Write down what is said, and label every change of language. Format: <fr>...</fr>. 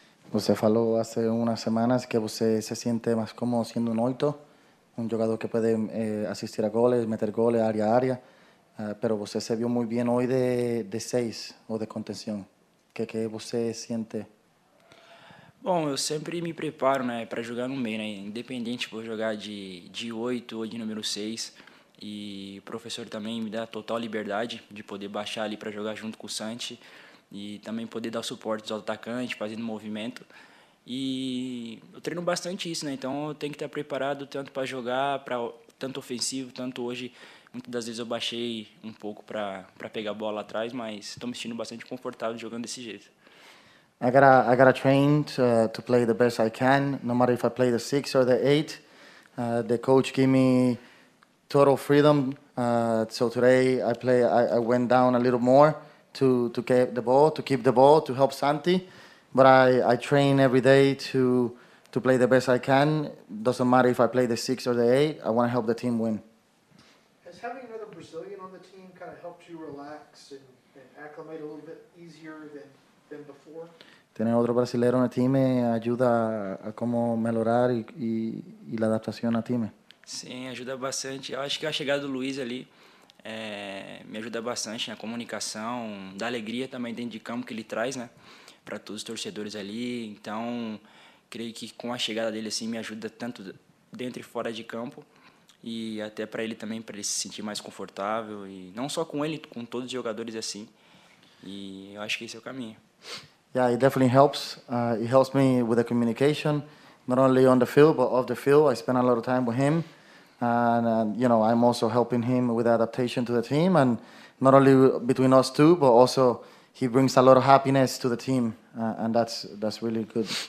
<pt>Você falou</pt> <es>hace unas semanas que você se siente más cómodo siendo un oito, un jugador que puede asistir a goles, meter goles área a área, pero</es> <pt>você se vio</pt> <es>muy bien hoy de seis o de contención. ¿Qué</es> <pt>você siente? Bom, eu sempre me preparo, né, para jogar no meio, né, independente de jogar de oito ou de número seis. E o professor também me dá total liberdade de poder baixar ali para jogar junto com o Santi. E também poder dar suporte aos atacantes, fazendo movimento. E eu treino bastante isso, né? Então eu tenho que estar preparado tanto para jogar, para tanto ofensivo, tanto hoje. Muitas das vezes eu baixei um pouco para pegar a bola atrás, mas estou me sentindo bastante confortável jogando desse jeito.</pt> <en>I gotta train to play the best I can, no matter if I play the 6 or the 8. The coach gave me total freedom. So today I went down a little more. To get the ball, to keep the ball, to help Santi. But I train every day to play the best I can. Doesn't matter if I play the 6 or the 8. I want to help the team win. Has having another Brazilian on the team kind of helped you relax and acclimate a little bit easier than before?</en> <es>Tener otro brasileño en el team ayuda a cómo mejorar y la adaptación al team. Sí, ayuda bastante.</es> <pt>Yo acho que a chegada do Luis ali me ajuda bastante na comunicação, da alegria também dentro de campo que ele traz, né, para todos os torcedores ali. Então, creio que com a chegada dele assim me ajuda tanto dentro e fora de campo e até para ele também, para ele se sentir mais confortável e não só com ele, com todos os jogadores assim. E eu acho que esse é o caminho.</pt> <en>Yeah, it definitely helps. It helps me with the communication, not only on the field but off the field. I spend a lot of time with him. And you know, I'm also helping him with adaptation to the team, and not only between us two, but also he brings a lot of happiness to the team, and that's really good.</en>